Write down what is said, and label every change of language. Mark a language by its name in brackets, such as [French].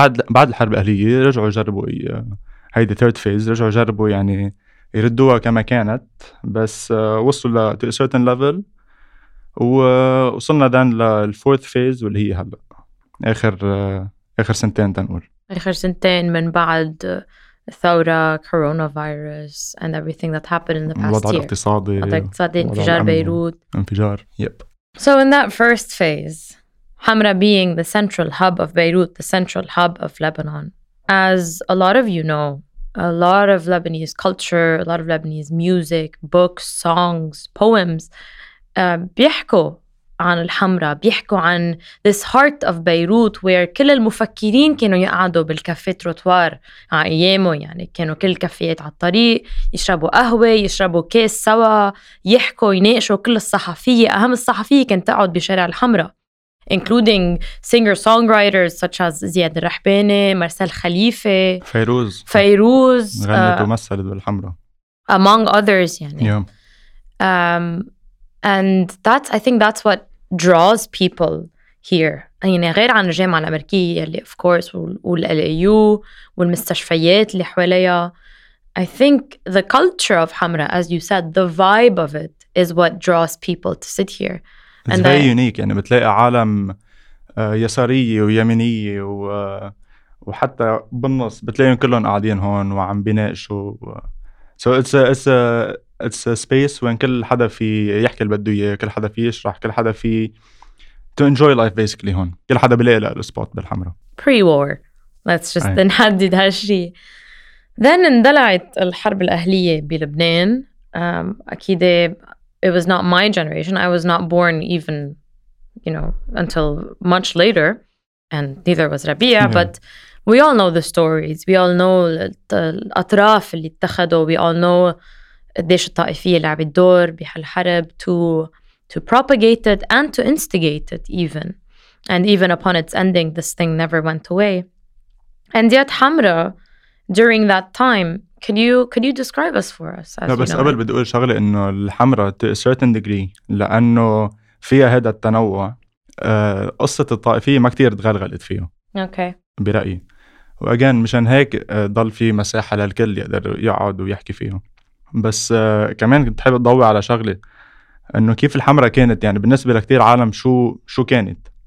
[Arabic] بعد الحرب الأهلية رجعوا جربوا هاي [English] the third phase [Arabic] رجعوا جربوا يعني يردوها كما كانت بس وصلوا ل [English] to a certain level [Arabic] ووصلنا دان لل [English] fourth phase [Arabic] واللي هي هلا آخر سنتين تنقول آخر سنتين من بعد ثورة كورونا فيروس [English] and everything that happened in the past year. [Arabic] الوضع الاقتصادي انفجار بيروت. انفجار. [English] Yep. So in that first phase, Hamra being the central hub of Beirut, the central hub of Lebanon, as a lot of you know, a lot of Lebanese culture, a lot of Lebanese music, books, songs, poems, [Arabic] بيحكوا عن الحمرا, بيحكوا عن [English] this heart of Beirut [Arabic] where كل المفكرين كانوا يقعدوا بالكافي تروتوار عايمو يعني كانوا كل الكافيات على الطريق يشربوا قهوة يشربوا كيس سوا يحكوا يناقشوا كل الصحفية أهم الصحفية كانت تقعد بشارع الحمرا [English] including singer-songwriters such as [Arabic] زياد الرحباني مرسال خليفة فيروز فيروز غنت ومثلت بالحمرا [English] among others. [Arabic] يعني. [English] Yeah. And that's, I think that's what draws people here. [Arabic] يعني غير عن الجامعة الأمريكية اللي [English] of course [Arabic] والLAU والمستشفيات اللي حواليها. [English] I think the culture of Hamra, as you said, the vibe of it is what draws people to sit here. It's and very unique. [Arabic] يعني بتلاقي عالم يسارية ويمينية و وحتى بالنص بتلاقيهم كلهم قاعدين هون وعم بيناقشوا. [English] So it's a space [Arabic] وين كل حدا في يحكي اللي بده اياه, كل حدا في يشرح, كل حدا في [English] to enjoy life basically [Arabic] هون. كل حدا بلاقي له السبوت بالحمرا. [English] Pre-war. Let's just [Arabic] نحدد هالشيء. Then اندلعت الحرب الأهلية بلبنان. أكيد [English] it was not my generation. I was not born even, you know, until much later. And neither was Rabia, yeah. But we all know the stories. We all know the [Arabic] الأطراف اللي اتخذوا. [English] We all know [Arabic] قديش الطائفية لعبت دور بهالحرب [English] to propagate it and to instigate it even. And even upon its ending, this thing never went away. And yet Hamra, during that time, could you describe us for us? As no, but [Arabic] قبل بدي أقول شغلة إنه الحمرا [English] to a certain degree [Arabic] لأنه فيها هذا التنوع. قصة الطائفية ما كتير تغلغلت فيه [English] okay. [Arabic] برأيي, وأجان مشان هيك ضل في مساحة للكل يقدر يقعد ويحكي فيه. بس كمان كنت حابب أضوي على شغلة أنه كيف الحمرة كانت, يعني بالنسبة لكتير عالم شو كانت.